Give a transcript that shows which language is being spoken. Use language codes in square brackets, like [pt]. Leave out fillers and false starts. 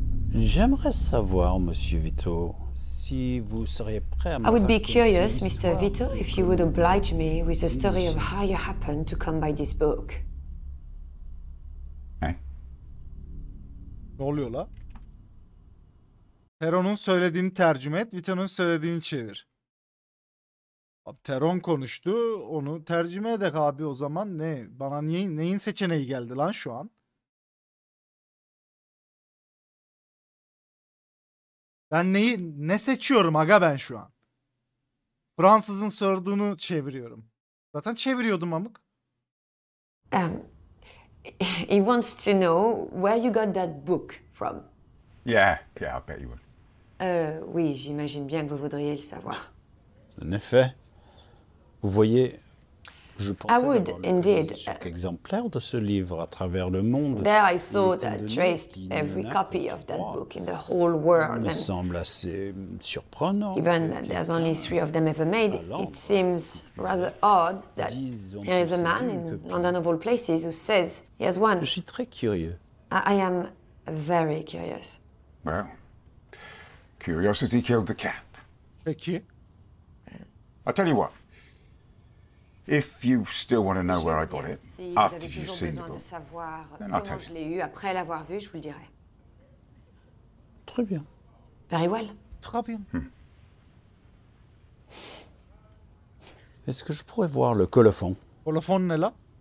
[fr] J'aimerais savoir, Monsieur Vito, si vous seriez prêt à me [en] I would be curious, Mr. Vito, if you would oblige me with the story of how you happened to come by this book. [tr] Ne oluyor la? Teron'un söylediğini tercüme et, Vito'nun söylediğini çevir. Abi, Teron konuştu, onu tercüme edek abi o zaman. Ne? Bana neyin seçeneği geldi lan şu an? Ben neyi, ne seçiyorum aga ben şu an? Fransızın sorduğunu çeviriyorum. Zaten çeviriyordum amık. [en] He wants to know where you got that book from. Yeah, I bet you would. [fr] Oui, j'imagine bien que vous voudriez le savoir. En effet. Vous voyez, je pensais [en] I would, [fr] avoir [en] indeed. [fr] Chaque exemplaire de ce livre à travers le monde. [en] There I thought I traced every copy of that book in the whole world. [fr] Il me semble assez surprenant. [en] Even there's only three of them ever made, it seems rather odd that there is a man in London of all places who says he has one. [fr] Je suis très curieux. [en] I am very curious. Well, curiosity killed the cat. Thank you. I'll tell you what. If you still want to know where I got it, after you've seen the book, then I'll tell you. [fr] Je l'ai eu après l'avoir vu, je vous le dirai. Très bien. [en] Very well. [fr] Très bien. Est-ce que je pourrais voir le colophon? Colophon est là?